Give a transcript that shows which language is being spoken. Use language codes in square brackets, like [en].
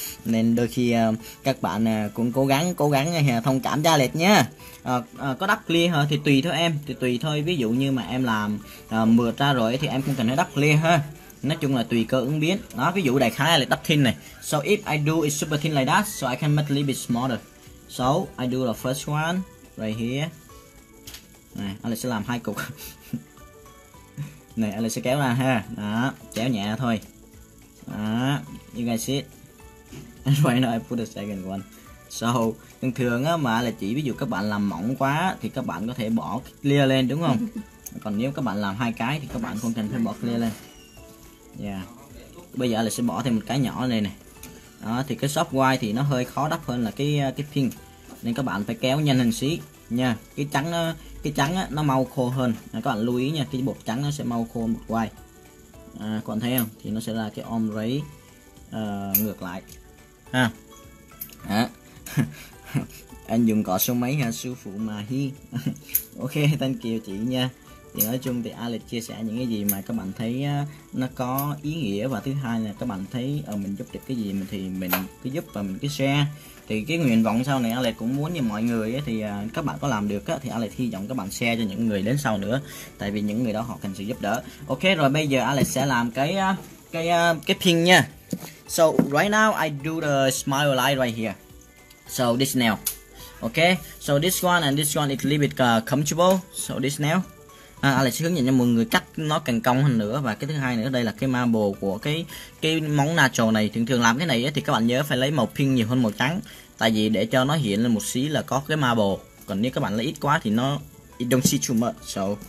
[vi] Nên đôi khi các bạn cũng cố gắng thông cảm cho Alex nha. Có đắp clear hả? Thì tùy thôi em, thì tùy thôi. Ví dụ như mà em làm mượt ra rồi thì em cũng cần phải đắp clear ha. Nói chung là tùy cơ ứng biến. Đó, ví dụ đại khái là đắp thin này. [en] So if I do it super thin like that, so I can make a little bit smaller. So I do the first one right here. [vi] Này, Alex sẽ làm 2 cục. Này, Alex sẽ kéo ra ha. Đó, kéo nhẹ thôi. Đó, [en] you guys see it. And right now I put the second one. [vi] So, thường thường á, mà là chỉ ví dụ các bạn làm mỏng quá thì các bạn có thể bỏ clear lên, đúng không? Còn nếu các bạn làm 2 cái thì các bạn không cần phải bỏ clear lên. Yeah. Bây giờ Alex sẽ bỏ thêm một cái nhỏ lên này. Đó, thì cái soft white thì nó hơi khó đắp hơn là cái pin. Nên các bạn phải kéo nhanh hơn xí nha. Cái trắng á, nó mau khô hơn. Các bạn lưu ý nha, cái bột trắng nó sẽ mau khô một white. À, các bạn thấy không? Thì nó sẽ là cái ombre ngược lại. Ha. À. Anh dùng cỏ số mấy ha, sư phụ mà hi. Ok, [en] thank you [vi] chị nha. Thì nói chung thì Alex chia sẻ những cái gì mà các bạn thấy nó có ý nghĩa, và thứ hai là các bạn thấy mình giúp được cái gì thì mình cứ giúp và mình cứ share. Thì cái nguyện vọng sau này Alex cũng muốn như mọi người thì các bạn có làm được thì Alex hy vọng các bạn share cho những người đến sau nữa, tại vì những người đó họ cần sự giúp đỡ. Ok, rồi bây giờ Alex sẽ làm cái pin nha. [en] So right now I do the smile light right here. So this nail. Ok, so this one and this one is a little bit comfortable. So this nail. [vi] À, Alex sẽ hướng dẫn cho mọi người cắt nó càng cong hơn nữa. Và cái thứ hai nữa, đây là cái marble của cái móng natural này. Thường thường làm cái này thì các bạn nhớ phải lấy màu pink nhiều hơn màu trắng, tại vì để cho nó hiện lên một xí là có cái marble. Còn nếu các bạn lấy ít quá thì nó [en] it don't see too much. So